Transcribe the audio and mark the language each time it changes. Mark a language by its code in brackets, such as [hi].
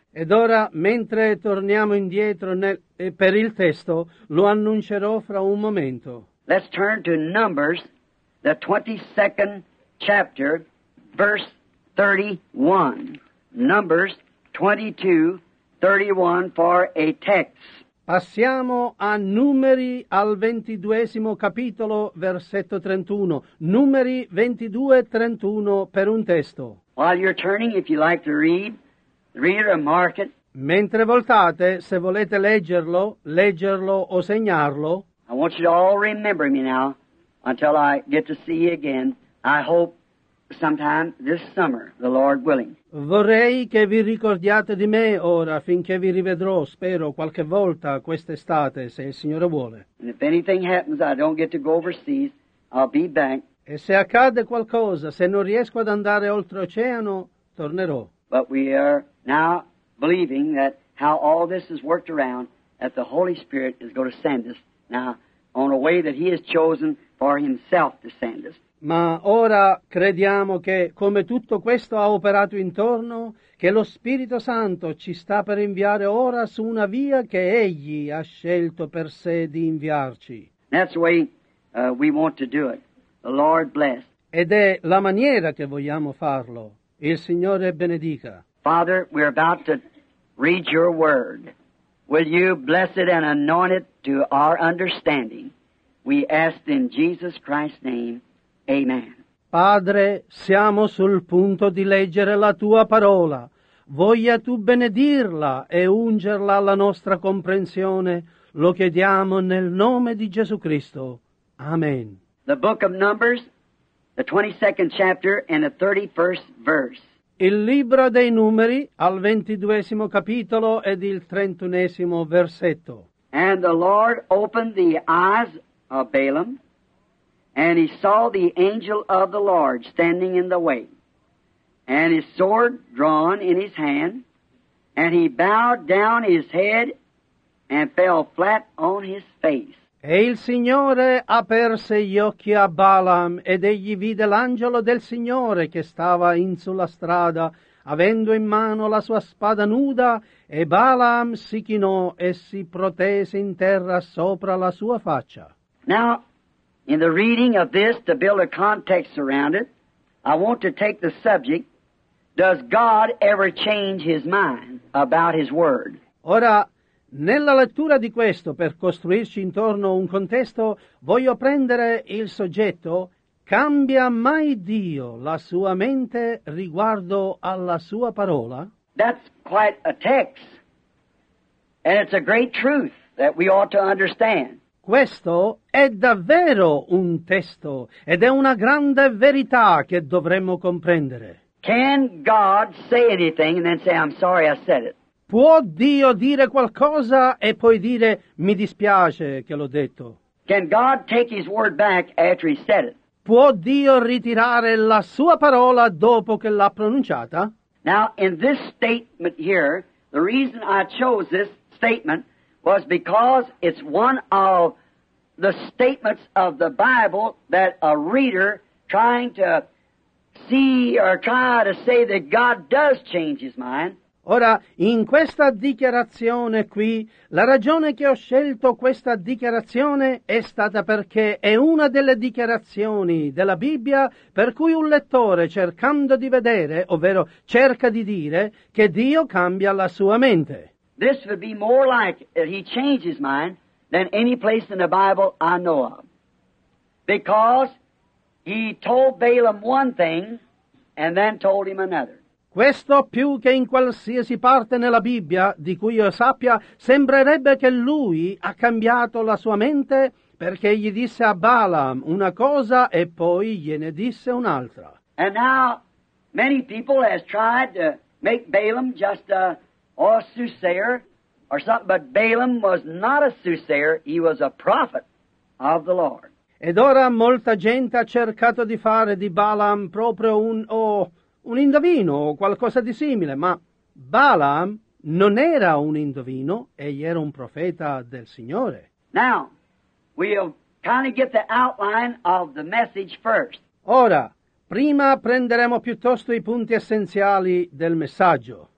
[it] Ed ora, mentre torniamo indietro per il testo, lo annuncerò fra un momento. [en] Let's turn to Numbers, the 22nd chapter, verse 31. Numbers 22:31 for a text. [it] Passiamo a Numeri al 22esimo capitolo, versetto 31. Numeri 22:31 per un testo. [en] While you're turning, if you like to read, read or mark it. [it] Mentre voltate, se volete leggerlo o segnarlo. [en] I want you to all remember me now until I get to see you again. I hope sometime this summer, the Lord willing. [it] Vorrei che vi ricordiate di me ora finché vi rivedrò, spero, qualche volta quest'estate, se il Signore vuole. [en] And if anything happens, I don't get to go overseas, I'll be back. [it] E se accade qualcosa, se non riesco ad andare oltreoceano, tornerò. [en] But we are now believing that how all this has worked around, that the Holy Spirit is going to send us now on a way that He has chosen for Himself to send us. [it] Ma ora crediamo che, come tutto questo ha operato intorno, che lo Spirito Santo ci sta per inviare ora su una via che Egli ha scelto per sé di inviarci. [en] That's the way we want to do it. The Lord bless. [it] Ed è la maniera che vogliamo farlo. Il Signore benedica. [en] Father, we're about to read your word. Will you bless it and anoint it to our understanding? We ask in Jesus Christ's name. Amen. [it] Padre, siamo sul punto di leggere la tua parola. Voglia tu benedirla e ungerla alla nostra comprensione. Lo chiediamo nel nome di Gesù Cristo. Amen. [en] The book of Numbers, the 22nd chapter and the 31st verse. [it] Il libro dei Numeri, al 22esimo capitolo ed il 31esimo versetto. [en] And the Lord opened the eyes of Balaam, and he saw the angel of the Lord standing in the way, and his sword drawn in his hand, and he bowed down his head and fell flat on his face. [it] E il Signore aperse gli occhi a Balaam, ed egli vide l'angelo del Signore che stava in sulla strada, avendo in mano la sua spada nuda, e Balaam si chinò e si protese in terra sopra la sua faccia. [en] Now, in the reading of this, to build a context around it, I want to take the subject, does God ever change his mind about his word? [it] Ora, nella lettura di questo, per costruirci intorno un contesto, voglio prendere il soggetto, cambia mai Dio la sua mente riguardo alla sua parola? [en] That's quite a text, and it's a great truth that we ought to understand. [it] Questo è davvero un testo ed è una grande verità che dovremmo comprendere. [en] Can God say anything and then say, I'm sorry I said it? [it] Può Dio dire qualcosa e poi dire, mi dispiace che l'ho detto? [en] Can God take his word back after he said it? [it] Può Dio ritirare la sua parola dopo che l'ha pronunciata? [en] Now, in this statement here, the reason I chose this statement was because it's one of the statements of the Bible that a reader trying to see or try to say that God does change his mind. [it] Ora, in questa dichiarazione qui, la ragione che ho scelto questa dichiarazione è stata perché è una delle dichiarazioni della Bibbia per cui un lettore cercando di vedere, ovvero cerca di dire, che Dio cambia la sua mente. [en] This would be more like that he changed his mind than any place in the Bible I know of. Because he told Balaam one thing and then told him another. [it] Questo più che in qualsiasi parte nella Bibbia di cui io sappia, sembrerebbe che lui ha cambiato la sua mente perché gli disse a Balaam una cosa e poi gliene disse un'altra. [en] And now, many people has tried to make Balaam just a soothsayer or something, but Balaam was not a soothsayer. He was a prophet of the Lord. [it] Ed ora molta gente ha cercato di fare di Balaam proprio un indovino o qualcosa di simile, ma Balaam non era un indovino, egli era un profeta del Signore. [en] Now, we'll kind of get the outline of the message first. Ora, prima prenderemo piuttosto i punti essenziali del messaggio.